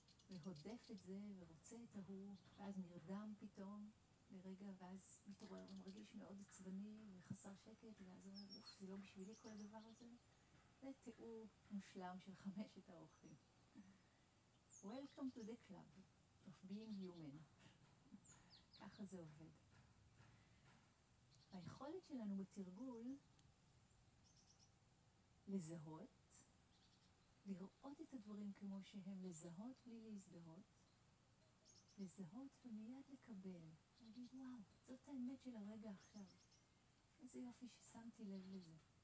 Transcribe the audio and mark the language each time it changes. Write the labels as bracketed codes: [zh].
[he] והודף את זה ורוצה את ההוא, ואז נרדם פתאום. לרגע, ואז מתעורר ומרגיש מאוד עצבני וחסר שקט, ואז אומר, אוף, זה לא בשבילי כל הדבר הזה. זה תיאור מושלם של חמשת האורחים. [en] Welcome to the club of being human. [he] ככה זה עובד. היכולת שלנו בתרגול לזהות, לראות את הדברים כמו שהם, לזהות בלי להזדהות, לזהות ומיד לקבל. להגיד, וואו, זאת האמת של הרגע עכשיו. איזה יופי ששמתי לב לזה.